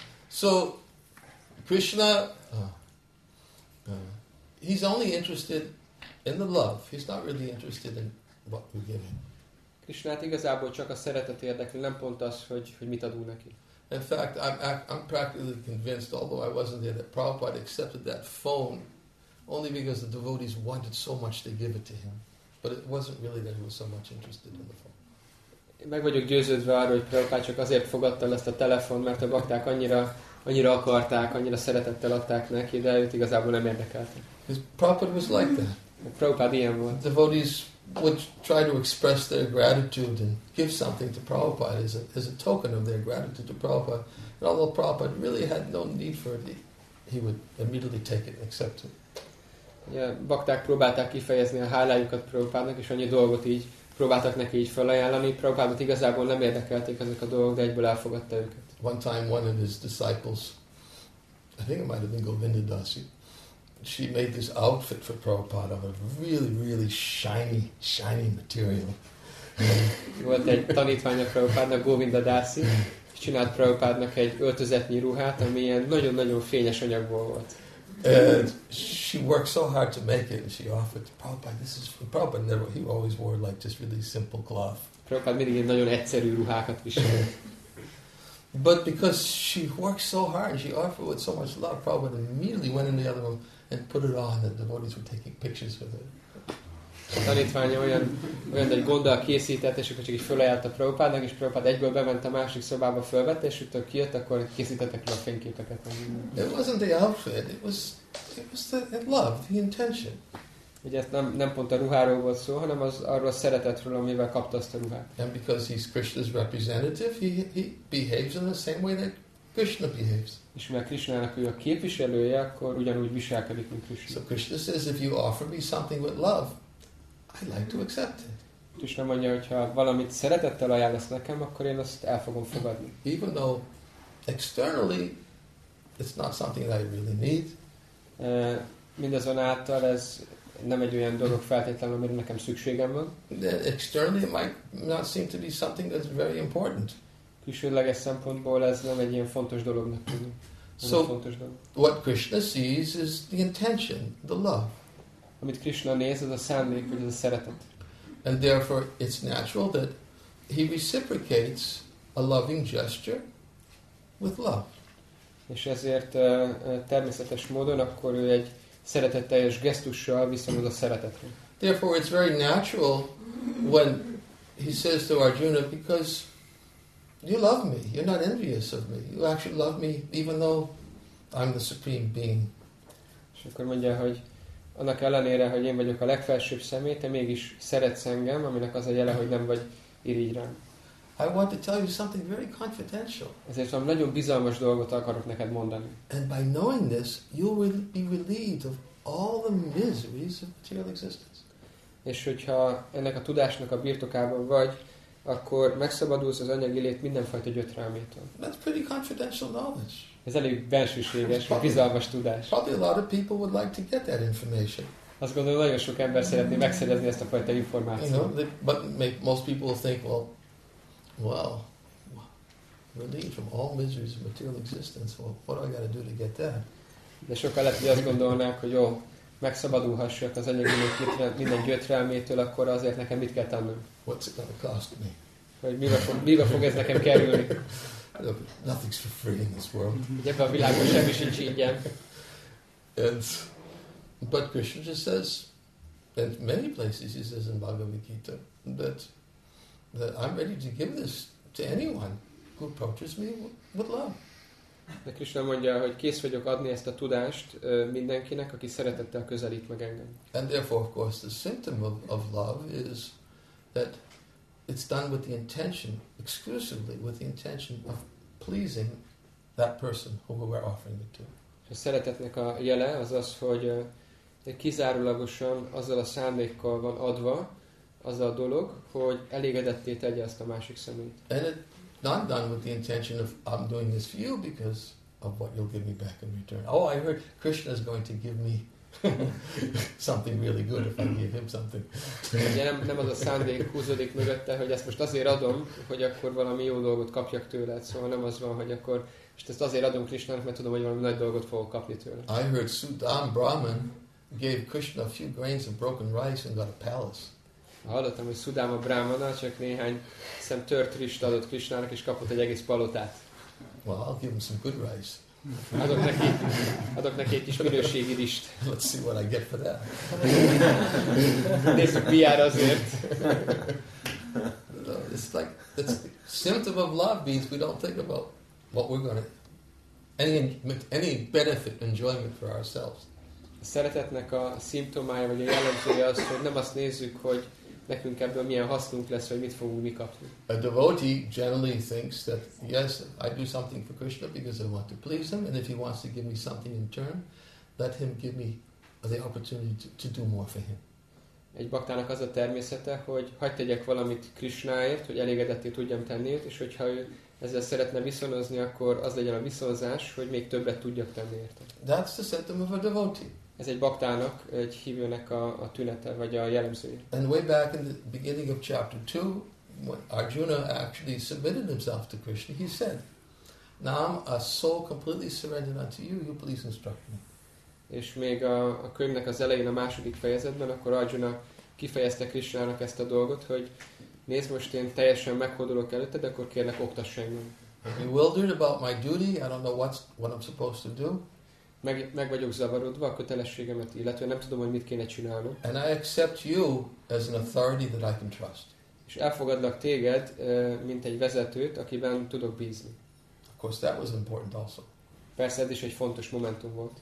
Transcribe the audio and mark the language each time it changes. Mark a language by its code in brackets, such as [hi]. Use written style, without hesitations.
[en] So, Krishna, he's only interested in the love. He's not really interested in what we give him. [hu] Krishna igazából csak a szeretet érdekli, nem pont az, hogy mit adunk neki. [en] In fact, I'm practically convinced, although I wasn't there, that Prabhupada accepted that phone only because the devotees wanted so much to give it to him. But it wasn't really that he was so much interested in the phone. [hu] Meg vagyok győződve arról, hogy Prabhupád csak azért fogadta ezt a telefon, mert a bakták annyira akarták, annyira szeretettel adták neki, de őt igazából nem érdekelte. [en] His Prabhupád was like that. [hu] Prabhupád ilyen volt. [en] The devotees would try to express their gratitude and give something to Prabhupád as a token of their gratitude to Prabhupád. And although Prabhupád really had no need for it, he would immediately take it and accept it. [hu] Ja, bakták próbálták kifejezni a hálájukat Prabhupádnak, és annyi dolgot így próbáltak neki így felajánlani. Prabhupádot igazából nem érdekelték ezek a dolgok, de egyből elfogadta őket. [en] One time one of his disciples, I think it might have been Govinda Dasi, she made this outfit for Prabhupada of a really, really shiny, shiny material. [hu] Volt egy tanítványa Prabhupádnak, Govinda Dasi, és csinált Prabhupádnak egy öltözetnyi ruhát, ami ilyen nagyon-nagyon fényes anyagból volt. [en] And she worked so hard to make it, and she offered to Prabhupada, this is for Prabhupada. Never, he always wore like just really simple cloth. [hu] Prabhupada mindig nagyon egyszerű ruhákat viselt. [en] But because she worked so hard, she offered with so much love, Prabhupada immediately went in the other room and put it on, and the devotees were taking pictures with it. [hu] A tanítványa olyan egy gonddal készített, és akkor csak így fölajált a Prabhupádnak, és Prabhupáda egyből bement a másik szobába, fölvette, és utána kijött, akkor készítettek le a fényképeket. [en] It wasn't the outfit, it was it was the love, the intention. [hu] Ugye nem pont a ruháról volt szó, hanem az arról a szeretetről, amivel kapta azt a ruhát. [en] And because he's Krishna's representative, he behaves in the same way that Krishna behaves. [hu] És mivel Krishnának ő a képviselője, akkor ugyanúgy viselkedik, mint Krishna. [en] So Krishna says, if you offer me something with love, I'd like to accept it. [hu] Krishna mondja, hogyha valamit szeretettel ajánlasz nekem, akkor én azt el fogom fogadni. [en] Even though externally it's not something that I really need. [hu] Mindazonáltal ez nem egy olyan dolog feltétlenül, amire nekem szükségem van. [en] Externally it might not seem to be something that's very important. [hu] Külsőleges szempontból ez nem egy ilyen fontos dolognak tűnik. So fontos dolog. [en] What Krishna sees is the intention, the love. [hu] Amit Krishna néz, az a szándék, vagy az a szeretet. [en] And therefore it's natural that he reciprocates a loving gesture with love. [hu] És ezért természetes módon akkor ő egy szeretetteljes gesztussal viszonyul a szeretetre. [en] Therefore it's very natural when he says to Arjuna, because you love me, you're not envious of me, you actually love me even though I'm the supreme being. [hu] És akkor mondja, hogy annak ellenére, hogy én vagyok a legfelsőbb személy, te mégis szeretsz engem, aminek az a jele, hogy nem vagy irigy rám. [en] I want to tell you something very confidential. [hu] Ezért valami nagyon bizalmas dolgot akarok neked mondani. [en] And by knowing this, you will be relieved of all the miseries of material existence. [hu] És hogyha ennek a tudásnak a birtokában vagy, akkor megszabadulsz az anyagi lét mindenfajta gyötrelmétől. [en] That's pretty confidential knowledge. [hu] Ez elég bensőséges, bizalmas tudás. [en] Probably a lot of people would like to get that information. [hu] Azt gondolom, nagyon sok ember szeretné megszerezni ezt a fajta információt. [en] You know, but most people think, well, relieved from all miseries of material existence. Well, what do I got to do to get that? [hu] De sokan lehet, hogy azt gondolnák, hogy jó, megszabadulhassak az anyagi lét minden gyötrelmétől, akkor azért nekem mit kell tennem? [en] What's it going to cost me? [hu] Hogy mibe fog ez nekem kerülni? [en] Look, nothing's for free in this world. [hu] Ebben a világban semmi sincs ingyen. [en] But Krishna just says, in many places he says in Bhagavad Gita, that I'm ready to give this to anyone who approaches me with love. [hu] De Krishna mondja, hogy kész vagyok adni ezt a tudást mindenkinek, aki szeretettel közelít meg engem. [en] And therefore, of course, the symptom of love is that it's done with the intention, exclusively with the intention of pleasing that person who we're offering it to. [hu] A szeretetnek a jele az az, hogy kizárólagosan azzal a szándékkal van adva az a dolog, hogy elégedetté tegye ezt a másik szemét. [en] And it's not done with the intention of I'm doing this for you because of what you'll give me back in return. Oh, I heard Krishna is going to give me something really good if I give him something. [hu] Ugye nem az a szándék húzódik mögötte, hogy ezt most azért adom, hogy akkor valami jó dolgot kapjak tőle. Szóval nem az van, hogy akkor most ezt azért adom Krishnának, mert tudom, hogy valami nagy dolgot fogok kapni tőle. [en] I heard Sudam Brahman gave Krishna a few grains of broken rice and got a palace. [hu] Hallottam, hogy Sudama Brahmana csak néhány szem tört rizst adott Krishnának, és kapott egy egész palotát. [en] Well, I'll give him some good rice. [hu] Adok neki egy kis minőségi rizst. [en] Let's see what I get for that. [hu] Nézzük, mi jár azért. [en] No, it's like, it's symptom of love means we don't think about what we're gonna, any benefit, enjoyment for ourselves. [hu] A szeretetnek a szimptomája, vagy a jellemzője az, hogy nem azt nézzük, hogy nekünk ebből milyen hasznunk lesz, vagy mit fogunk mi kapni. [en] A devotee generally thinks that, yes, I do something for Krishna because I want to please him, and if he wants to give me something in turn, let him give me the opportunity to do more for him. [hu] Egy baktának az a természete, hogy hagy tegyek valamit Krishnáért, hogy elégedetté tudjam tenni, és hogyha ő ezzel szeretne viszonozni, akkor az legyen a viszonozás, hogy még többet tudjak tenni érte. [en] That's the symptom of a devotee. [hu] Ez egy baktának, egy hívőnek a tünete, vagy a jellemzője. [en] And way back in the beginning of chapter 2, when Arjuna actually submitted himself to Krishna, he said, now I'm a soul completely surrendered unto you, you please instruct me. [hu] És még a könyvnek az elején, a második fejezetben, akkor Arjuna kifejezte Krishnának ezt a dolgot, hogy nézd, most én teljesen meghódolok előtted, akkor kérlek, oktass engem. [en] I'm bewildered about my duty, I don't know what I'm supposed to do. [hu] Meg vagyok zavarodva a kötelességemet, illetve nem tudom, hogy mit kéne csinálnom. [en] And I accept you as an authority that I can trust. [hu] És elfogadlak téged, mint egy vezetőt, akiben tudok bízni. [en] Of course, that was important also. [hu] Persze ez is egy fontos momentum volt.